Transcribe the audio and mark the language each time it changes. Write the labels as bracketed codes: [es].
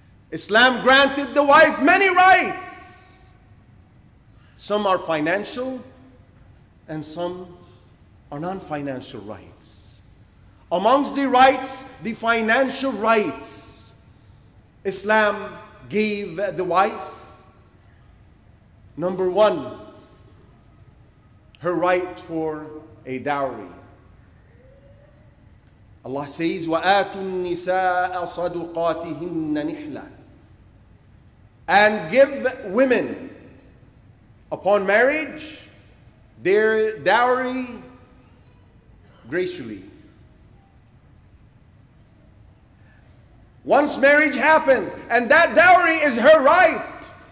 [en] Islam granted the wife many rights. Some are financial, and some are non-financial rights. Amongst the rights, the financial rights, Islam gave the wife, number one, her right for a dowry. Allah says, [ar] وَآتُوا النِّسَاءَ صَدُقَاتِهِنَّ نِحْلًا. [en] And give women upon marriage their dowry graciously. Once marriage happened, and that dowry is her right.